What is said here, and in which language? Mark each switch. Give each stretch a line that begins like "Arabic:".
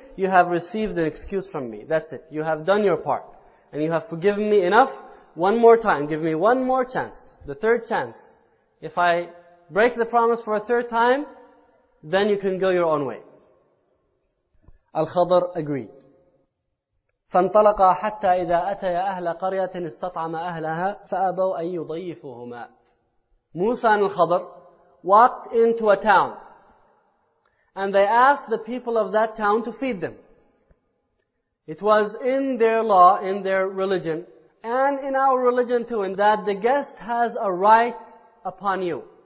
English: You have received an excuse from me. That's it. You have done your part. And you have forgiven me enough. One more time. Give me one more chance. The third chance. If I break the promise for a third time, then you can go your own way." Al-Khadr agreed.
Arabic: فانطلقا حتى إذا أتيا أهل قرية استطعما أهلها فأبوا أن يضيفوهما.
English: Musa and Al-Khadr walked into a town, and they asked the people of that town to feed them. It was in their law, in their religion, and in our religion too, in that the guest has a right upon you.